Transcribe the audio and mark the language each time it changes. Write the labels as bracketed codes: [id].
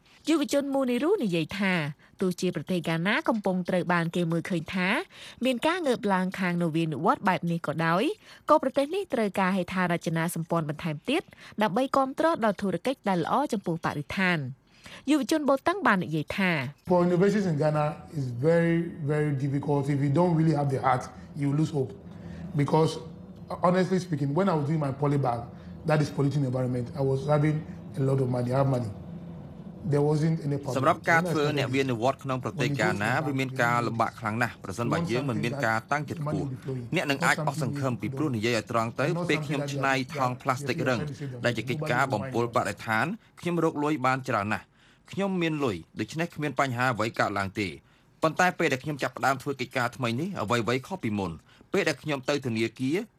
[km] យុវជនមូនីរូនិយាយថាទោះជាប្រទេសកាណាកំពុងត្រូវបានគេមើលឃើញថាមានការងើបឡើងខាងនវានុវត្តបែបនេះក៏ដោយក៏ប្រទេសនេះត្រូវការហេដ្ឋារចនាសម្ព័ន្ធបន្ថែមទៀតដើម្បីគាំទ្រដល់ធុរកិច្ចដែលល្អចំពោះបរិស្ថានយុវជនបូតឹងបាននិយាយថា [en] For innovations in Ghana is very very difficult if you don't really have the heart you lose hope because honestly speaking when I was doing my polybag that is polluting environment I was having a lot of money I have money there wasn't any [km] សម្រាប់ការធ្វើអ្នកវានិវត្តក្នុងប្រទេសកាណាវាមានការលំបាកខ្លាំងណាស់ប្រសិនបើយើងមិនមានការតាំងចិត្តខ្ពស់អ្នកនឹងអាចអស់សង្ឃឹមពីព្រោះនិយាយឲ្យត្រង់ទៅពេលខ្ញុំច្នៃថង់ផ្លាស្ទិករឹងដែលជាកិច្ចការបំពុលបរិស្ថានខ្ញុំរកលុយបានច្រើនណាស់ខ្ញុំមានលុយដូច្នេះគ្មានបញ្ហាអ្វីកើតឡើងទេប៉ុន្តែពេលដែលខ្ញុំចាប់ផ្ដើមធ្វើកិច្ចការថ្មីនេះអ្វីៗខុសពីមុនពេលដែលខ្ញុំទៅធនាគារ